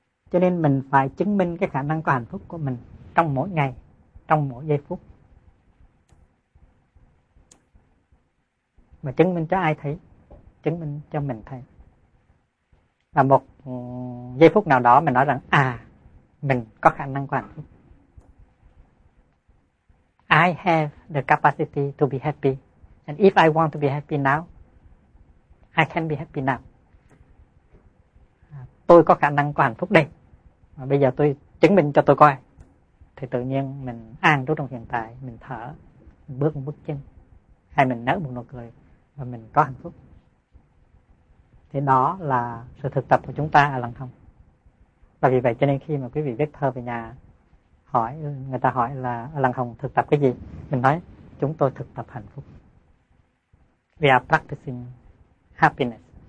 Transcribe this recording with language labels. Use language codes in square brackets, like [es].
[vi] Cho nên mình phải chứng minh cái khả năng có hạnh phúc của mình trong mỗi ngày, trong mỗi giây phút, mà chứng minh cho ai thấy, chứng minh cho mình thấy. Và một giây phút nào đó mình nói rằng à, mình có khả năng có hạnh phúc. [en] I have the capacity to be happy. And if I want to be happy now, I can be happy now. [vi] Tôi có khả năng có hạnh phúc đây. Và bây giờ tôi chứng minh cho tôi coi. Thì tự nhiên mình an trú trong hiện tại, mình thở, mình bước một bước chân, hay mình nở một nụ cười, và mình có hạnh phúc. Thì đó là sự thực tập của chúng ta ở lần không. Và vì vậy cho nên khi mà quý vị viết thơ về nhà, hỏi người ta hỏi là Lăng Hồng thực tập cái gì, mình nói chúng tôi thực tập hạnh phúc. [en] We are practicing happiness.